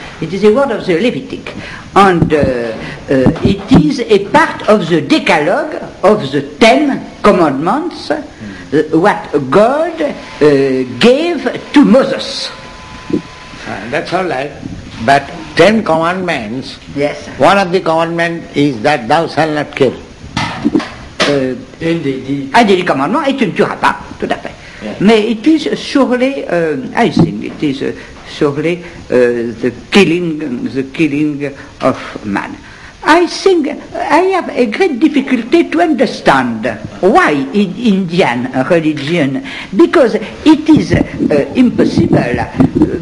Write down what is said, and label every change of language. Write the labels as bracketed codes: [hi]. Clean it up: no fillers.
[en] It is a word of the Levitic, and it is a part of the Decalogue of the Ten Commandments, what God gave to Moses. That's all right, but Ten Commandments, yes. One of the commandments is that thou shalt not kill. [fr] Un des commandements, et tu ne tueras pas, tout à fait. [en] Yes. Mais it is surely, I think it is... surely the killing of man. I think I have a great difficulty to understand why in Indian religion, because it is impossible.